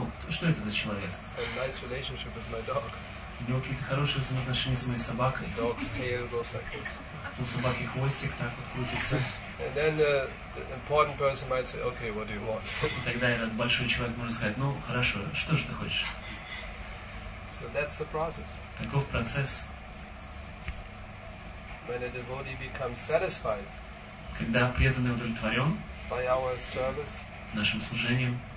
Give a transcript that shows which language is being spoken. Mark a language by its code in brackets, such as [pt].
[ru] Что это за человек? У него какие-то хорошие взаимоотношения с моей собакой. [en] Dog's tail goes like this. [ru] У собаки хвостик так вот крутится. [en] And then the important person might say, okay, what do you want? [ru] И тогда этот большой человек может сказать, ну хорошо, что же ты хочешь? [en] So that's the process. [ru] Таков процесс. [en] When a devotee becomes satisfied. [ru] Когда преданный удовлетворен. [en] By our service. [ru] Нашим служением.